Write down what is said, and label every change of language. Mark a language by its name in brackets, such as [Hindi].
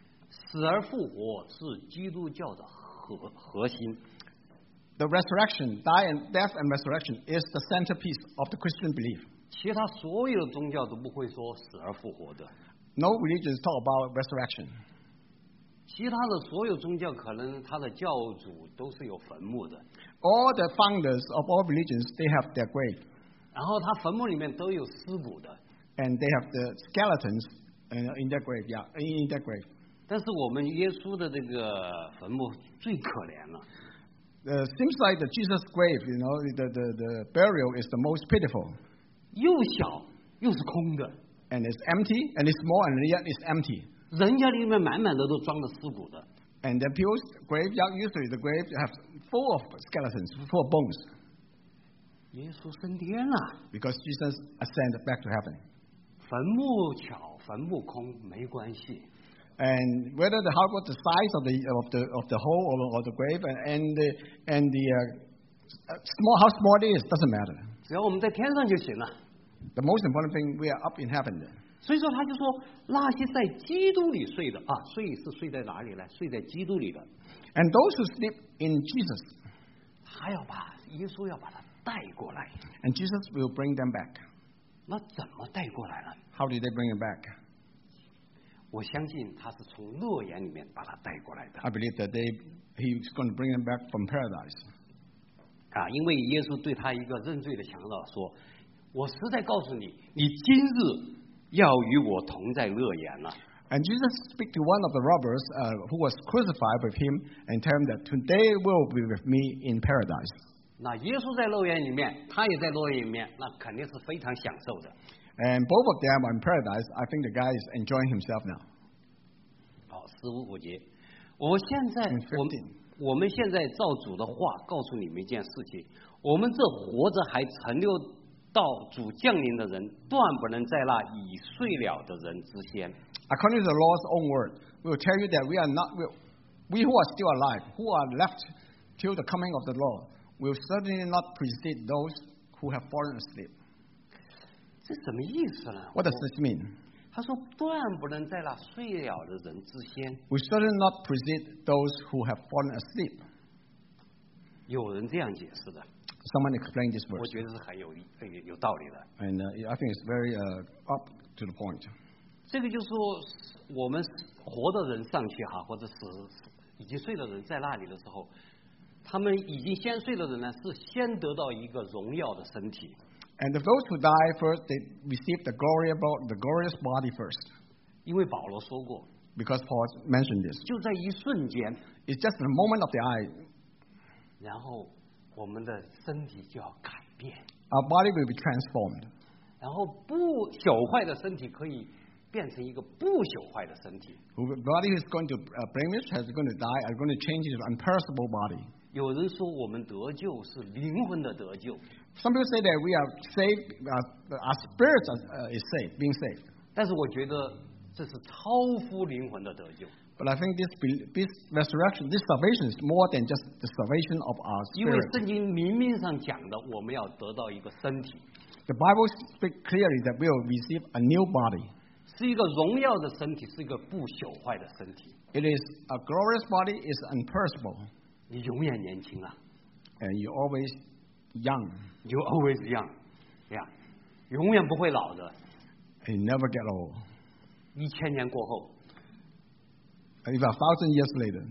[Chinese] 死而复活是基督教的核心。 [English] The resurrection, die and death and resurrection is the centerpiece of the Christian belief. [Chinese] 其他所有的宗教都不会说死而复活的。 [English] No religions talk about resurrection. [Chinese] 其他的所有宗教可能他的教主都是有坟墓的。 [English] All the founders of all religions, they have their grave. [Chinese] 然后他坟墓里面都有尸骨的。 [English] And they have the skeletons in their grave, yeah, in their grave. [Chinese] 但是我们耶稣的这个坟墓最可怜了。 [English] Seems like the Jesus grave, you know, the burial is the most pitiful. [Chinese] 又小又是空的。 [English] And it's empty, and it's small, and yet it's empty. [Chinese] 人家里面满满的都装了尸骨的。 [English] And the people's graveyard, usually the grave have full of skeletons, full of bones. [Chinese] 耶稣升天了。 [English] Because Jesus ascended back to heaven. [Chinese] 坟墓巧，坟墓空，没关系。 [English] And whether the how about the size of the hole or the grave and the small how small it is doesn't matter. [Chinese] 只要我们在天上就行了。 [English] The most important thing we are up in heaven. [Chinese] 所以说他就说那些在基督里睡的啊，睡是睡在哪里呢？睡在基督里的。 [English] And those who sleep in Jesus. [Chinese] 他要把耶稣要把他带过来。 [English] And Jesus will bring them back. [Chinese] 那怎么带过来了？ [English] How did they bring him back? [Chinese] 我相信他是从乐园里面把他带过来的。 [English] I believe that he's going to bring them back from paradise. [Chinese] 啊，因为耶稣对他一个认罪的强盗说，我实在告诉你，你今日要与我同在乐园了。 [English] And Jesus speak to one of the robbers, who was crucified with him, and tell him that today will be with me in paradise. [Chinese] 那耶稣在乐园里面，他也在乐园里面，那肯定是非常享受的。 [English] And both of them are in paradise. I think the guy is enjoying himself now. [Chinese] 好，十五节，我现在我们现在照主的话告诉你们一件事情，我们这活着还存留。到主降临的人断不能在那已睡了的人之先。 [English] According to the Lord's own word, we will tell you that we who are still alive, who are left till the coming of the Lord, will certainly not precede those who have fallen asleep. [Chinese] 这什么意思呢？ [English] What does this mean? [Chinese] 他说断不能在那睡了的人之先。 [English] We certainly not precede those who have fallen asleep. [Chinese] 有人这样解释的。 [English] Someone explained this verse. [Chinese] 我觉得是很有道理的。 [English] And I think it's very up to the point. [Chinese] 这个就是说，我们活的人上去哈，或者是已经睡的人在那里的时候，他们已经先睡的人呢，是先得到一个荣耀的身体。 [English] And those who die first, they receive the glorious body first. [Chinese] 因为保罗说过。 [English] Because Paul mentioned this. [Chinese] 就在一瞬间。 [English] It's just a moment of the eye. [Chinese] 然后。我们的身体就要改变。 [English] Our body will be transformed. [Chinese] 然后不朽坏的身体可以变成一个不朽坏的身体。 [English] Our body is going to blemish, is going to die, is going to change into an imperishable body. [Chinese] 有人说我们得救是灵魂的得救。 [English] Some people say that we are saved, our spirit is saved, being saved. [Chinese] 但是我觉得这是超乎灵魂的得救。 [English] But I think this resurrection, this salvation is more than just the salvation of our spirit. [Chinese] 因为圣经明明上讲的，我们要得到一个身体。 [English] The Bible speaks clearly that we will receive a new body. [Chinese] 是一个荣耀的身体，是一个不朽坏的身体。 [English] It is a glorious body, is imperishable. [Chinese] 你永远年轻啊。 [English] And you're always young. You're always young. Yeah. [Chinese] 永远不会老的。 [English] You never get old. [Chinese] 1000年过后, [English] about 1,000 years later,